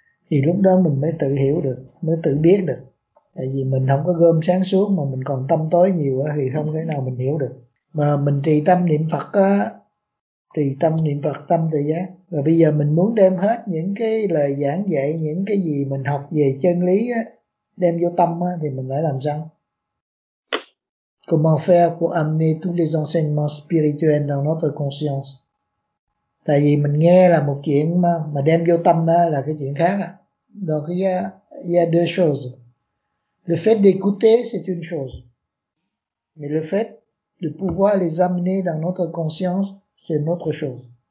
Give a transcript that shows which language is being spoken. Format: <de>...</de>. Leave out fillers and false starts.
<vi>Thì lúc đó mình mới tự hiểu được, mới tự biết được. Tại vì mình không có gom sáng suốt mà mình còn tâm tối nhiều á, thì không thể nào mình hiểu được. Mà mình trì tâm niệm Phật á, trì tâm niệm Phật, tâm tự giác. Rồi bây giờ mình muốn đem hết những cái lời giảng dạy, những cái gì mình học về chân lý á, đem vô tâm á, thì mình phải làm sao?</vi> <fr>Comment faire pour amener tous les enseignements spirituels dans notre conscience?</fr> <vi>Tại vì mình nghe là một chuyện mà đem vô tâm là cái chuyện khác.</vi> <fr>Donc il y a deux choses. Le fait d'écouter, c'est une chose. Mais le fait de pouvoir les amener dans notre conscience, c'est une autre chose.</fr>